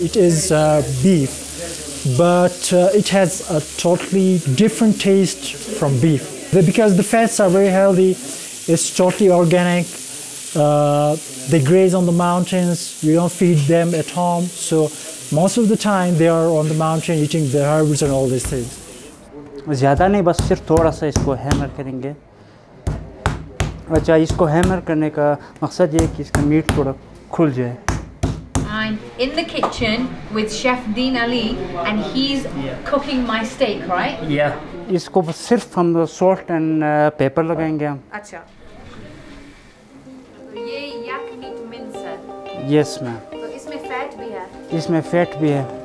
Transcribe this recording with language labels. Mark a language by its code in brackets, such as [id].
[en] It is beef, but it has a totally different taste from beef. Because the fats are very healthy, it's totally organic. They graze on the mountains. You don't feed them at home. So most of the time they are on the mountain eating the herbs and all these things. [hi] ज़्यादा नहीं बस सिर्फ थोड़ा सा इसको hammer करेंगे. अच्छा इसको हैमर करने का मकसद ये है कि इसका मीट थोड़ा खुल जाए. [en] I'm in the kitchen with Chef Dean Ali and he's cooking my steak, right? Yeah. [hi] इसको सिर्फ हम सॉल्ट एंड पेपर लगाएंगे हम. अच्छा. ये यक मीट मिंस [en] है. Yes, ma'am. [hi] तो इसमें फैट भी है. इसमें फैट भी है.